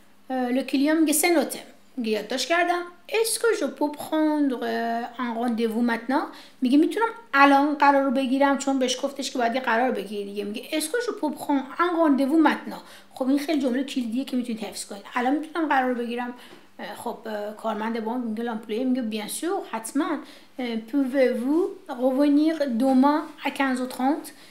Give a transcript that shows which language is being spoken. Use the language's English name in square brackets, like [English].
[French] Le client me dit noté. Je vais garder. Est-ce que je peux prendre un rendez-vous maintenant? [Persian] میگه میتونم الان قرار رو بگیرم چون بهش گفتش که باید یه قرار بگیری دیگه. میگه [French] est-ce que je peux prendre un rendez-vous maintenant? [Persian] خب این خیلی جمله کلیدیه که میتونید حفظ کنید. الان میتونم قرار بگیرم. خب کارمند بانک میگه لامپلی میگه [French] bien sûr [Persian] حتما. [French] Pouvez-vous revenir demain à 15h30?